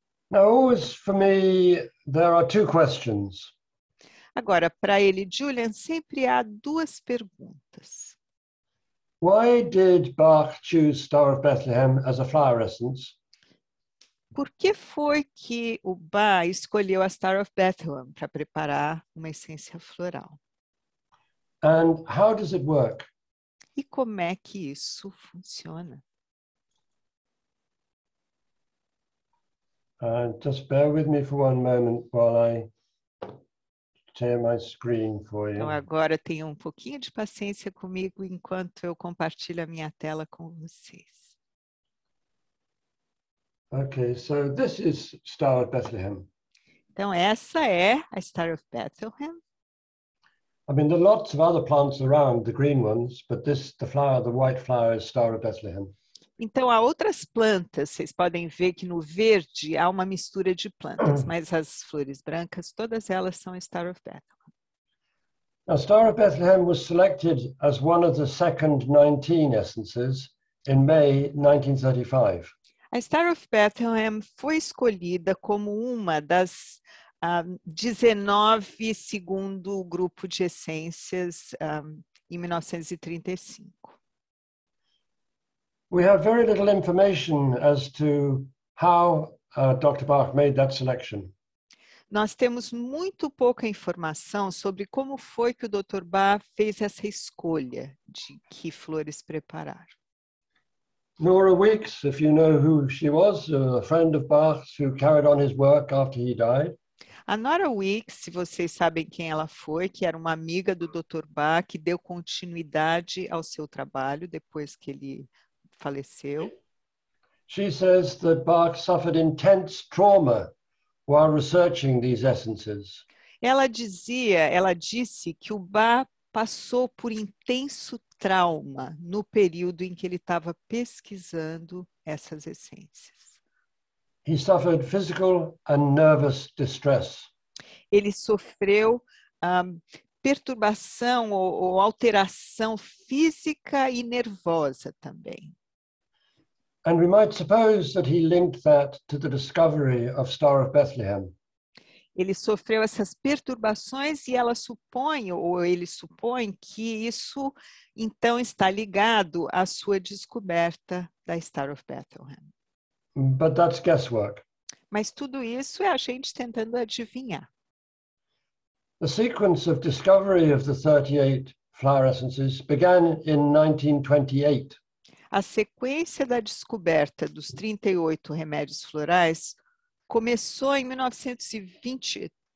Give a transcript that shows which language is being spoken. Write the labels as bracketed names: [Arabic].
[English] Now, always for me, there are two questions. [Portuguese] Agora, para ele, Julian, sempre há duas perguntas. [English] Why did Bach choose Star of Bethlehem as a flower essence? [Portuguese] Por que foi que o Bach escolheu a Star of Bethlehem para preparar uma essência floral? [English] And how does it work? [Portuguese] E como é que isso funciona? [English] Just bear with me for one moment while I share my screen for you. [Portuguese] Então agora tenha um pouquinho de paciência comigo enquanto eu compartilho a minha tela com vocês. [English] Okay, so this is Star of Bethlehem. [Portuguese] Então essa é a Star of Bethlehem. [English] I mean, there are lots of other plants around, the green ones, but this, the flower, the white flower is Star of Bethlehem. [Portuguese] Então, há outras plantas. Vocês podem ver que no verde há uma mistura de plantas, mas as flores brancas, todas elas são Star of Bethlehem. [English] Now, Star of Bethlehem was selected as one of the second 19 essences in May 1935. [Portuguese] A Star of Bethlehem foi escolhida como uma das 19 segundo grupo de essências em 1935. [English] We have very little information as to how Dr. Bach made that selection. [Portuguese] Nós temos muito pouca informação sobre como foi que o Dr. Bach fez essa escolha de que flores preparar. [English] Nora Weeks, if you know who she was, a friend of Bach's who carried on his work after he died. [Portuguese] A Nora Weeks, se vocês sabem quem ela foi, que era uma amiga do Dr. Bach, que deu continuidade ao seu trabalho depois que ele faleceu. [English] She says that Bach suffered intense trauma while researching these essences. [Portuguese] Ela disse que o Bach passou por intenso trauma no período em que ele estava pesquisando essas essências. [English] He suffered physical and nervous distress. [Portuguese] Ele sofreu perturbação ou alteração física e nervosa também. [English] And we might suppose that he linked that to the discovery of Star of Bethlehem. [Portuguese] Ele sofreu essas perturbações e ela supõe, ou ele supõe, que isso, então, está ligado à sua descoberta da Star of Bethlehem. [English] But that's guesswork. [Portuguese] Mas tudo isso é a gente tentando adivinhar. [English] The sequence of discovery of the 38 flower essences began in 1928. [Portuguese] A sequência da descoberta dos 38 remédios florais começou em 1928.